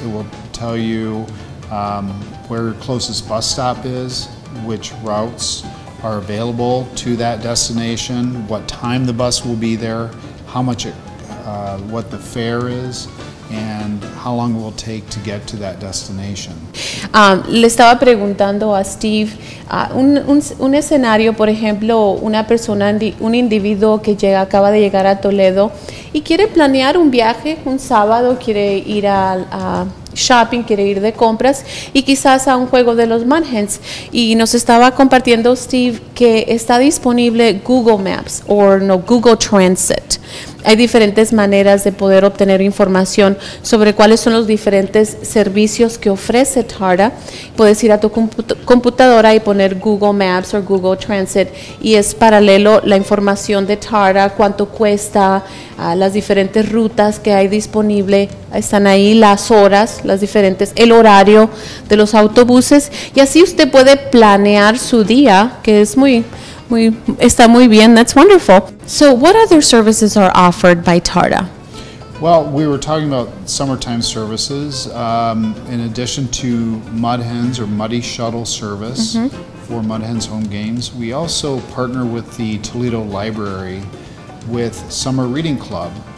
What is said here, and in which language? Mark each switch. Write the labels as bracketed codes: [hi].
[en] It will tell you where your closest bus stop is, which routes are available to that destination, what time the bus will be there, how much it, what the fare is, and how long it will take to get to that destination. [es] Le estaba preguntando a Steve, un escenario, por ejemplo, una persona, un individuo que llega, acaba de llegar a Toledo y quiere planear un viaje, un sábado, quiere ir a shopping, quiere ir de compras y quizás a un juego de los Mud Hens. Y nos estaba compartiendo Steve que está disponible Google Maps o no, Google Transit. Hay diferentes maneras de poder obtener información sobre cuáles son los diferentes servicios que ofrece TARDA. Puedes ir a tu computadora y poner Google Maps o Google Transit y es paralelo la información de TARDA, cuánto cuesta, las diferentes rutas que hay disponible, están ahí las horas, las diferentes, el horario de los autobuses, y así usted puede planear su día, que es muy está muy bien. [en] That's wonderful. So what other services are offered by TARDA? Well, we were talking about summertime services. In addition to Mud Hens or Muddy Shuttle service for Mud Hens home games, we also partner with the Toledo Library with Summer Reading Club.